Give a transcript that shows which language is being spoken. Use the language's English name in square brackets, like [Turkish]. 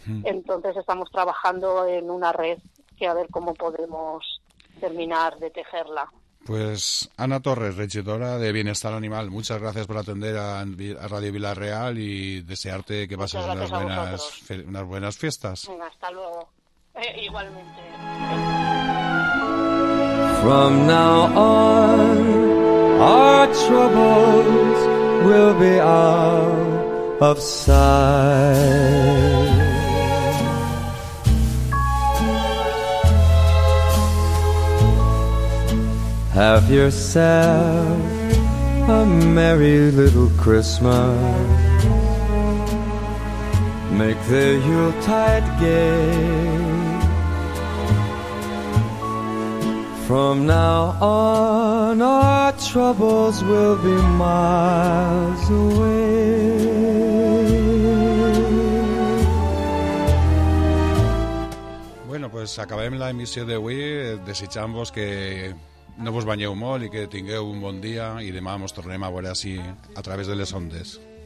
[Spanish] Entonces estamos trabajando en una red que a ver cómo podemos terminar de tejerla. Pues Ana Torres, regidora de Bienestar Animal, muchas gracias por atender a Radio Villarreal y desearte que pases unas buenas fiestas. Venga, hasta luego. Igualmente. [English] From now on, our troubles will be out of sight. Have yourself a merry little Christmas. Make the Yuletide gay. From now on, our troubles will be miles away. [Catalan] Bueno, pues acabem la emissió d'avui. Desitjam-vos que no vos banyeu molt i que tingueu un bon dia, i demà mos tornem a veure així a través de les ondes.